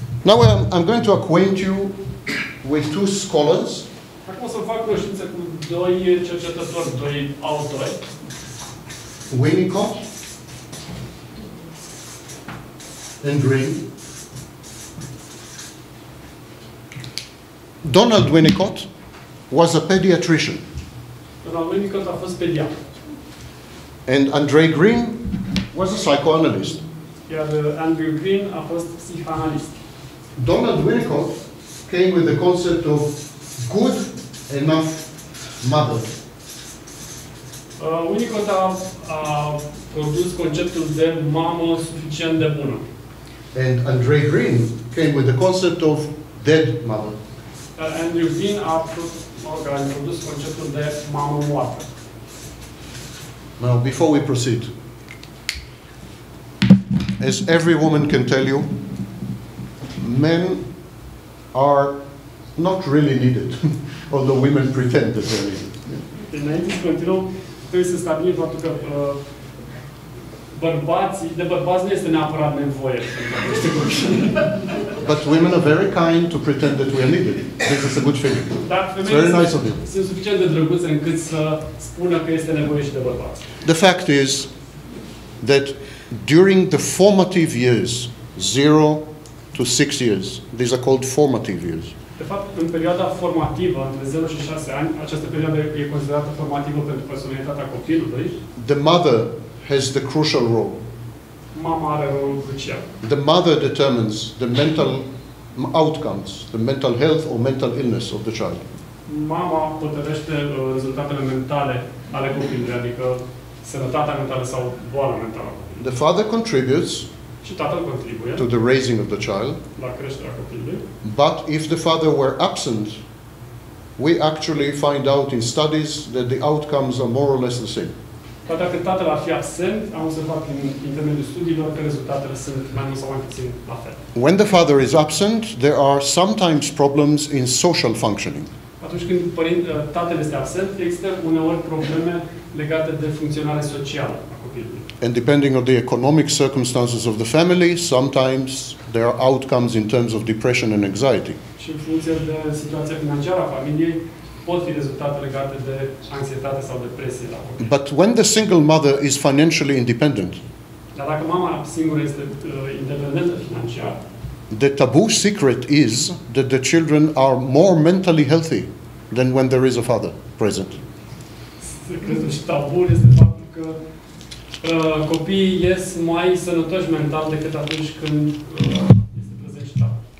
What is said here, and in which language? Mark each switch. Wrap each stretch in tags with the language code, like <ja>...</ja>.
<en>Now I'm going to acquaint you with two scholars.</en> <ro>Acum o să fac cunoștință cu doi cercetători, doi autori.</ro> <en>Winnicott and Green. Donald Winnicott was a pediatrician.</en> <ro>Donald Winnicott a fost pediatru.</ro> <en>And Andre Green was a psychoanalyst.</en> <ro>iar Andrew Green a fost psihanalist.</ro> <en>Donald Winnicott came with the concept of good enough mother.</en> <ro>Winnicott a produs conceptul de mamă suficient de bună.</ro> <en>And Andre Green came with the concept of dead mother.</en> <ro>Andrew Green a produs conceptul de mamă moartă.</ro> <en>Now, before we proceed, as every woman can tell you, men are not really needed, although women pretend that they're needed.</en> <ro>Înainte să continuăm, trebuie să stabilim faptul că bărbații, de bărbați nu este neapărat nevoie.</ro> <en>But women are very kind to pretend that we are needed. This is a good thing. It's very nice of you.</en> <ro>Sunt suficient de drăguțe încât să spună că este nevoie și de bărbați.</ro> <en>The fact is that during the formative years, 0 to 6 years, these are called formative years.</en> <ro>De fapt, în perioada formativă, între 0 și 6 ani, această perioadă e considerată formativă pentru personalitatea copilului.</ro> <en>The mother has the crucial role.</en> <ro>Mama are rolul crucial.</ro> <en>The mother determines the mental outcomes, the mental health or mental illness of the child.</en> <ro>Mama hotărăște rezultatele mentale ale copilului, adică sănătatea mentală sau boala mentală.</ro> <en>The father contributes</en> <ro>și tatăl contribuie</ro> <en>to the raising of the child.</en> <ro>La creșterea copilului.</ro> <en>But if the father were absent, we actually find out in studies that the outcomes are more or less the same.</en> <ro>Dar dacă tatăl ar fi absent, am observat prin intermediul studiilor că rezultatele sunt mai mult sau mai puțin la fel.</ro> <en>When the father is absent, there are sometimes problems in social functioning.</en> <ro>Atunci când tatăl este absent, există uneori probleme legate de funcționare socială.</ro> <en>And depending on the economic circumstances of the family, sometimes there are outcomes in terms of depression and anxiety.</en> <ro>Și în funcție de situația financiară a familiei, pot fi rezultate legate de anxietate sau depresie la copil.</ro> <en>But when the single mother is financially independent,</en> <ro>dar dacă mama singură este independentă financiar,</ro> <en>the taboo secret is that the children are more mentally healthy than when there is a father present.</en> <ro>Secretul și tabul este faptul că copiii ies mai sănătoși mental decât atunci când este prezent și tata.</ro>